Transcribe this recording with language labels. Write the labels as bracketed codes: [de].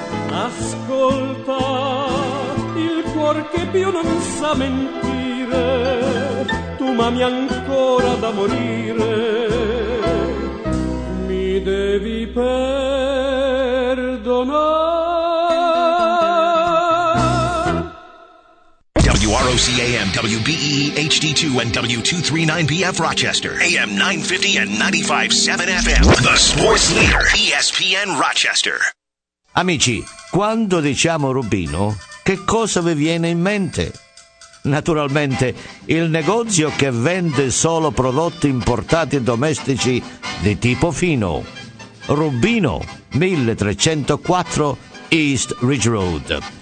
[it] Ascolta il cuor che più non sa mentire, tu m'ami ancora da morire, mi devi perdonare. [en] WROC AM, WBE HD2 and W239 BF Rochester, AM 950 and 95.7 FM, the sports leader, ESPN Rochester. [it] Amici, quando diciamo Rubino, che cosa vi viene in mente? Naturalmente, il negozio che vende solo prodotti importati domestici di tipo fino. Rubino, 1304 East Ridge Road.